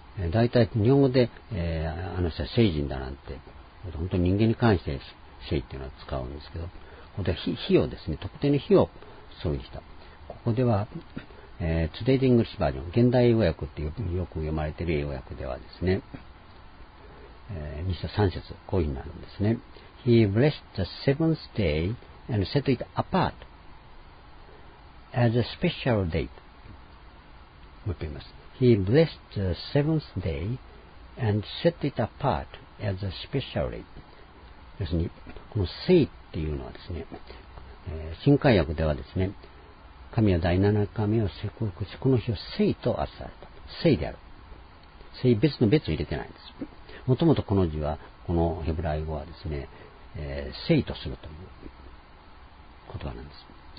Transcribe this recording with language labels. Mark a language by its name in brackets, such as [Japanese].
[Japanese] だいたい日本語で、あの人は聖人だなんて、本当に人間に関して聖というのは使うんですけど、ここでは 火をですね、特定の火をそういうした。ここでは、トゥデイ・イングリッシュバージョン、現代英語訳ってよく読まれている英語訳ではですね、2章3節、こういうふうになるんですね。 [English] He blessed the seventh day and set it apart as a special date. [Japanese] もう一回言います。 [English] He blessed the seventh day and set it apart as a special date. [Japanese] 要するに、この聖っていうのはですね、新改訳ではですね、神は第7日目を祝福し、この日を聖と扱われた。聖である。聖別の別を入れてないんです。もともとこの字は、このヘブライ語はですね、聖とするという言葉なんです。